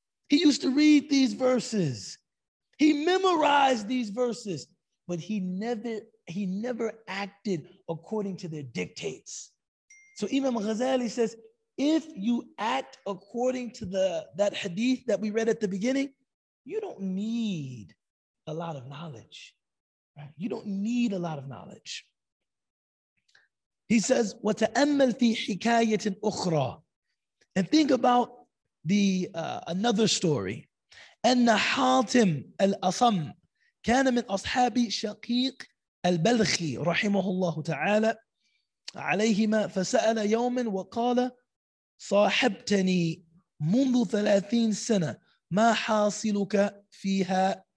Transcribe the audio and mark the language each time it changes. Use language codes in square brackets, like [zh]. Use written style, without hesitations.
[en] He used to read these verses. He memorized these verses, but he never acted according to their dictates. So Imam Ghazali says, if you act according to that hadith that we read at the beginning, you don't need a lot of knowledge. Right? You don't need a lot of knowledge. He says, [ar] وَتَأَمَّلْ فِي حِكَايَةٍ أُخْرَى. [en] And think about another story. [ar] أَنَّ حَاتِمْ الْأَصَمْ كَانَ مِنْ أَصْحَابِ شَقِيقٍ البلخي رحمه الله تعالى عليهما فسأل يوما وقال صاحبتني منذ 30 سنة ما حاصلك فيها.